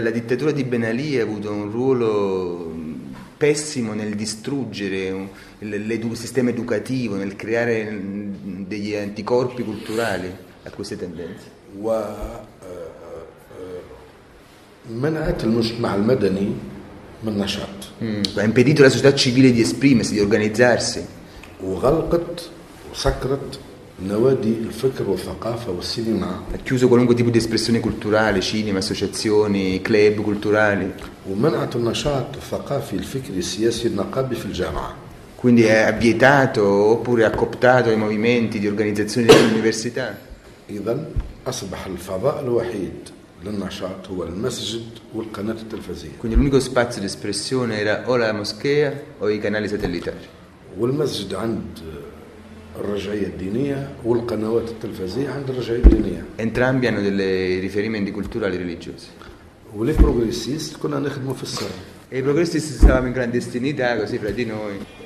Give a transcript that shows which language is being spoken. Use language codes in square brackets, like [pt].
[it] La dittatura di Ben Ali ha avuto un ruolo pessimo nel distruggere il sistema educativo, nel creare degli anticorpi culturali a queste tendenze. [ar] ومنع المجتمع المدني من نشاط. [it] Ha impedito alla società civile di esprimersi, di organizzarsi. [ar] وغلقت وسكرت نوادي الفكر والثقافة والسينما. [it] Ha chiuso qualunque tipo di espressione culturale, cinema, associazioni, club culturali. [ar] ومنعت النشاط الثقافي الفكري السياسي النقابي في الجامعة. [it] Quindi ha vietato oppure ha cooptato i movimenti di organizzazione dell'università. [ar] إذا أصبح الفضاء الوحيد للنشاط هو المسجد والقناة التلفزية. [it] Quindi l'unico spazio di espressione era o la moschea o i canali satellitari. [ar] والمسجد عند الرجعية الدينية والقنوات التلفزية عند الرجعية الدينية. [it] Entrambi hanno delle riferimenti culturali religiosi. [ar] والبروغريسيست كنا نخدمه في السر. [it] E i progressisti stavamo in clandestinità così fra di noi.